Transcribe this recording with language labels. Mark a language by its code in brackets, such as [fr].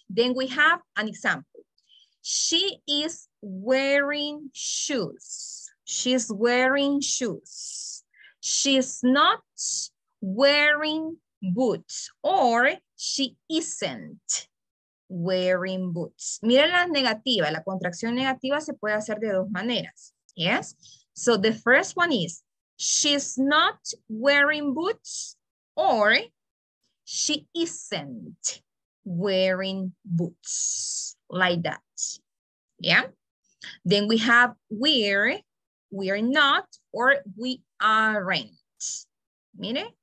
[en] Then we have an example. She is wearing shoes. She's wearing shoes. She's not wearing boots, or she isn't wearing boots. [es] Mira la negativa, la contracción negativa se puede hacer de dos maneras. [en] Yes? So the first one is she's not wearing boots, or she isn't wearing boots, like that. Yeah? Then we have we're not, or we aren't. [es] Mire.